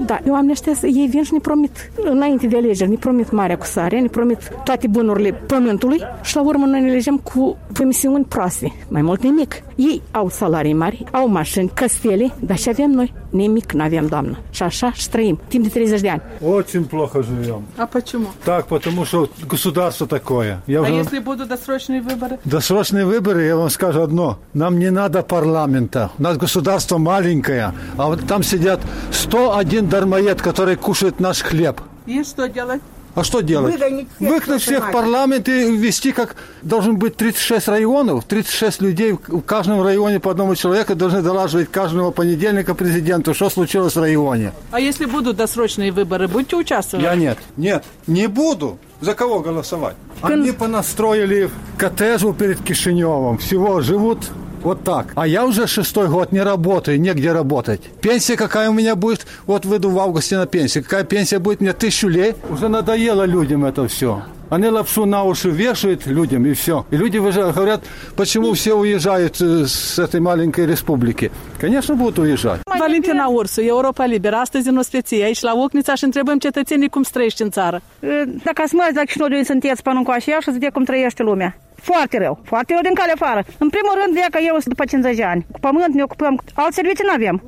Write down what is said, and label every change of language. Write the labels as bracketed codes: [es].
[ro] Da, oamenii ăștia, ei vin și ne promit înainte de alegeri, ne promit marea cu sare, ne promit toate bunurile pământului și la urmă noi ne alegem cu promisiuni proaste, mai mult nimic. Ei au salarii mari, au mașini, castele, dar și avem noi? Nimic nu avem, doamnă. Și așa și trăim, timp de 30 de ani. [ru] Очень плохо живем. А почему? Так, потому что государство такое. Я уже... если будут досрочные выборы? Досрочные выборы, я вам скажу одно. Нам не надо парламента. У нас государство маленькое. А вот там сидят 101 дармоед, которые кушают наш хлеб. И что делать? А что делать? Выгнать всех в парламент и ввести, как должен быть 36 районов, 36 людей в каждом районе по одному человеку должны долаживать каждого понедельника президенту, что случилось в районе. А если будут досрочные выборы, будете участвовать? Я нет. Нет, не буду. За кого голосовать? Они понастроили коттеджу перед Кишиневым. Всего живут вот так. А я уже 6-й год не работаю, негде работать. Пенсия какая у меня будет? Вот выйду в августе на пенсию. Какая пенсия будет? Мне 1000 лей. Уже надоело людям это все. Они лапшу на уши вешают людям и все. И люди уже говорят, почему все уезжают с этой маленькой республики. Конечно, будут уезжать. [ro] Valentina Ursu, Europa Liberă, astăzi în ospeție, aici la Ocnița, și întrebăm cetățenii cum trăiești în țară. Dacă ați mai zis, noi sunteți pănâncoași, așa să zic cum trăiește lumea. Foarte rău, foarte rău din cale afară. În primul rând, de că eu sunt după 50 de ani. Cu pământ ne ocupăm, alți servicii n-avem.